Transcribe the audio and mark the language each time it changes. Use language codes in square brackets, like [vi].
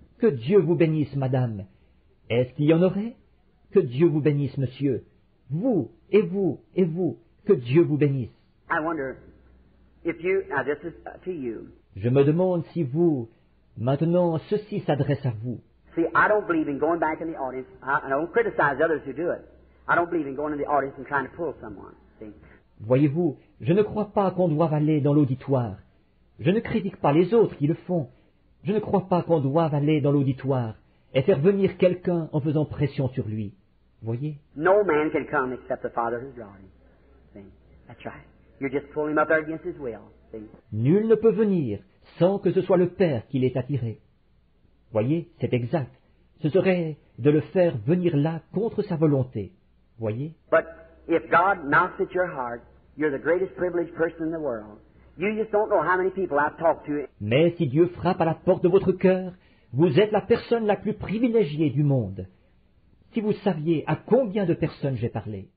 [fr] Que Dieu vous bénisse, madame. Est-ce qu'il y en aurait? Que Dieu vous bénisse, monsieur. Vous, et vous, et vous. Que Dieu vous bénisse. [en] I wonder if you... Now, this is to you. [fr] Je me demande si vous... Maintenant, ceci s'adresse à vous. [en] See, I don't believe in going back in the audience. I don't criticize others who do it. I don't believe in going in the audience and trying to pull someone. See? [fr] Voyez-vous, je ne crois pas qu'on doive aller dans l'auditoire. Je ne critique pas les autres qui le font. Je ne crois pas qu'on doive aller dans l'auditoire et faire venir quelqu'un en faisant pression sur lui. Voyez? [en] No man can come except the Father who's drawn him. See? That's right. You're just pulling him up there against his will. See? [fr] Nul ne peut venir sans que ce soit le Père qui l'ait attiré. Voyez, c'est exact. Ce serait de le faire venir là contre sa volonté. Voyez? [en] But if God knocks at your heart, you're the greatest privileged person in the world. You just don't know how many people I've talked to. [fr] Mais si Dieu frappe à la porte de votre cœur, vous êtes la personne la plus privilégiée du monde. Si vous saviez à combien de personnes j'ai parlé.